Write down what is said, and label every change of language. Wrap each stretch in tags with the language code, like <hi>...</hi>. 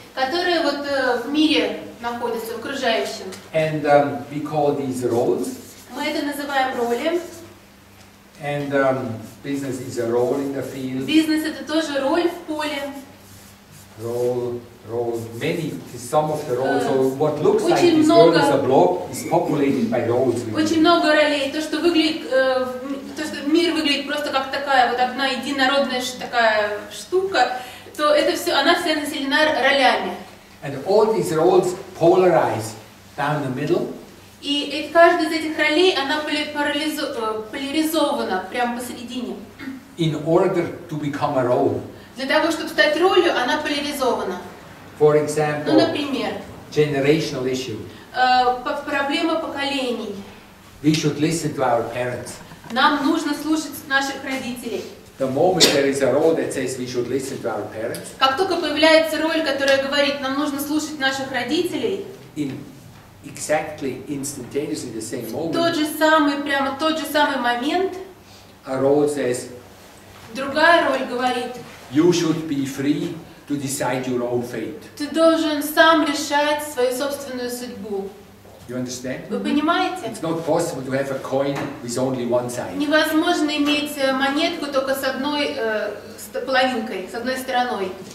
<ru>Которые вот в мире находятся, в окружающем.</ru> <en>And we call these roles.</en> <ru>Мы это называем роли.</ru> <en>And business is a role in the field.</en> <ru>Бизнес это тоже роль в поле.</ru> <en>Role, many, some of the roles. So what looks like this world as a block is populated by roles.</en> <ru>Очень много ролей. То, что выглядит, то, что мир выглядит просто как такая вот одна единородная такая штука. То это все, она вся населена ролями.</ru> <en>And all these roles polarize down the middle.</en> <ru>И каждая из этих ролей, она поляризована прямо посередине.</ru> <en>In order to become a role.</en> <ru>Для того, чтобы стать ролью, она поляризована.</ru> <en>For example.</en> <ru>Например.</ru> <en>Generational issue.</en> <ru>Проблема поколений.</ru> <en>We should listen to our parents.</en> <ru>Нам нужно слушать наших родителей.</ru> <en>The moment there is a role that says we should listen to our parents.</en> <ru>Как только появляется роль, которая говорит, нам нужно слушать наших родителей.</ru> <en>In exactly instantaneously the same moment.</en> <ru>Тот же самый, прямо тот же самый момент.</ru> <en>A role says.</en> <ru>Другая роль говорит.</ru> <en>You should be free to decide your own fate.</en> <ru>Ты должен сам решать свою собственную судьбу.</ru> <en>You understand?</en> <ru>Вы понимаете?</ru> <en>It's not possible to have a coin with only one side.</en> <ru>Невозможно иметь монетку только с одной половинкой, с одной стороной.</ru>